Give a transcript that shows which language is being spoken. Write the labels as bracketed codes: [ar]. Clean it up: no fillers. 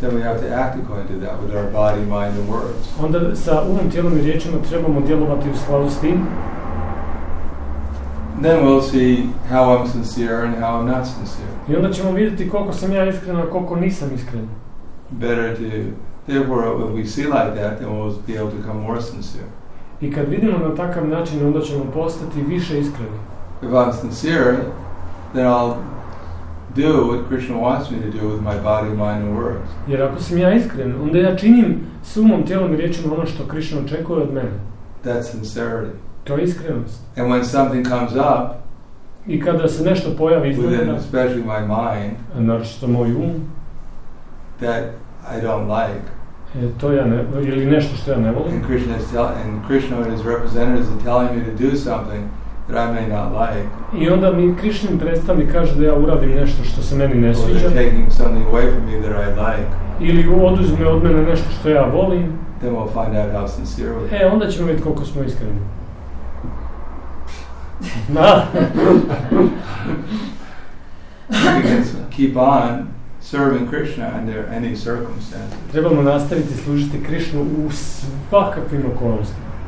[en] Then we have to act according to that with our body, mind, and words. [hr] Onda sa umom, tijelom i riječima trebamo djelovati u skladu s tim. [en] Then we'll see how I'm sincere and how I'm not sincere. [hr] I onda ćemo vidjeti koliko sam ja iskren, a koliko nisam iskren. [en] Better to, therefore, if we see like that, then we'll be able to become more sincere. [hr] I kad vidimo na takav način, onda ćemo postati više iskreni. [en] If I'm sincere, then I'll do what Krishna wants me to do with my body, mind, and words. [hr] Jer ako sam ja iskren, onda ja činim s umom, tijelom i riječima ono što Krishna očekuje od mene. [en] That's sincerity. [hr] To je iskrenost. [en] And when something comes up, [hr] i kada se nešto pojavi [en] within, especially my mind, [hr] a naročito moj um, [en] that I don't like, [hr] to ja ne, ili nešto što ja ne volim, [en] and Krishna and his representatives are telling me to do something that I may not like. [hr] I onda mi Krishna predstavnik kaže da ja uradim nešto što se meni ne sviđa. [en] Or taking something away from me that I like. [hr] Ili oduzme od mene nešto što ja volim. [en] Then we'll find out how sincere we are. [hr] Onda ćemo vidjeti koliko smo iskreni. [en] We can keep on serving Krishna under any circumstances. [hr] Trebamo nastaviti služiti Krishnu u svakakvim okolnostima.